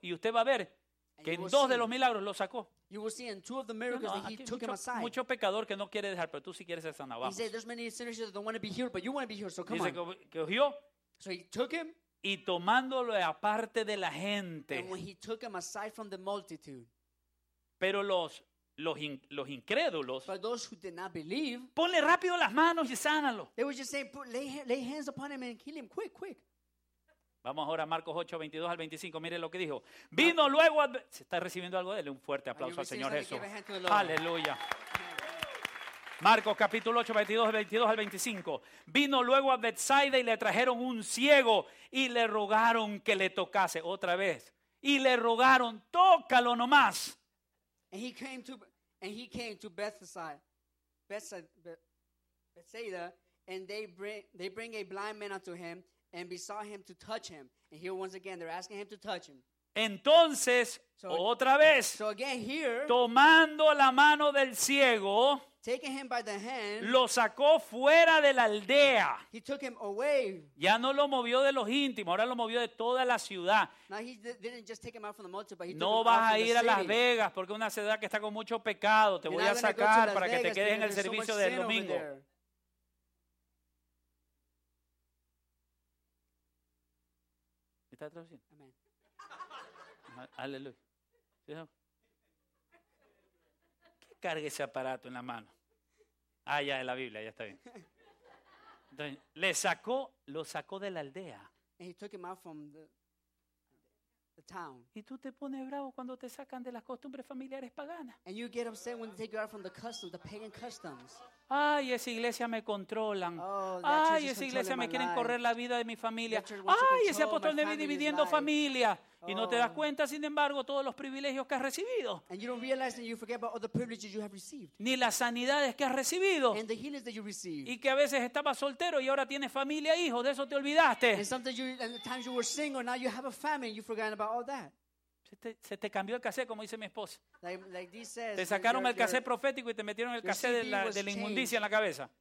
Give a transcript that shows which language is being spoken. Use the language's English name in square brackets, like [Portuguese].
[Spanish] Y usted va a ver que en dos de los milagros lo sacó. [English] You will see in two of the miracles that he took him aside. [Spanish] Mucho pecador que no quiere dejar, pero tú sí quieres ser sanado. [English] He said, there's many sinners that don't want to be healed, but you want to be healed, so come [Spanish] dice [English] on. [Spanish] Dice que cogió. [English] So he took him. [Spanish] Y tomándolo aparte de la gente. [English] And when he took him aside from the multitude. [Spanish] Pero los incrédulos. [English] But those who did not believe. [Spanish] Ponle rápido las manos y sánalo. [English] They were just saying, lay hands upon him and heal him quick, quick. [Spanish] Vamos ahora a Marcos 8, 22 al 25. Mire lo que dijo. Vino luego. ¿Se está recibiendo algo? Dele un fuerte aplauso al Señor Jesús. Aleluya. Marcos capítulo 8, 22, 22 al 25. Vino luego a Bethsaida y le trajeron un ciego y le rogaron que le tocase otra vez. Y le rogaron, tócalo nomás. [English] And he came to Bethsaida and they bring a blind man unto him and besought him to touch him. And here once again they're asking him to touch him. [Spanish] Entonces, [English] so again here, [Spanish] tomando la mano del ciego, [English] taking him by the hand, [Spanish] lo sacó fuera de la aldea. [English] He took him away. [Spanish] Ya no lo movió de los íntimos, ahora lo movió de toda la ciudad. No vas a ir a Las Vegas porque es una ciudad que está con mucho pecado. Te [English] You're [Spanish] voy a sacar para [English] Vegas [Spanish] que te quedes en el servicio [English] so [Spanish] del domingo. ¿Está traduciendo? Amén. Aleluya. ¿Qué carga ese aparato en la mano? Ah, ya, de la Biblia, ya está bien. Entonces, lo sacó de la aldea. [English] And he took him out from the town. [Spanish] Y tú te pones bravo cuando te sacan de las costumbres familiares paganas. [English] And you get upset when they take you out from the customs, the pagan customs. [Spanish] Ay, esa iglesia me controlan. [English] Oh, [Spanish] ay, esa iglesia me quieren [English] life. [Spanish] Correr la vida de mi familia. Ay, ese apóstol me viene dividiendo familia. Oh. Y no te das cuenta, sin embargo, todos los privilegios que has recibido. [English] And you don't realize that you forget about all the privileges you have received. [Spanish] Ni las sanidades que has recibido. [English] And the healings that you received. [Spanish] Y que a veces estabas soltero y ahora tienes familia, hijos, de eso te olvidaste. [English] And sometimes you, and the times you were single, now you have a family and you've forgotten about all that. [Spanish] Se te cambió el cassette, como dice mi esposa. [English] Like this says, [Spanish] te sacaron el cassette profético y te metieron el cassette de la inmundicia en la cabeza.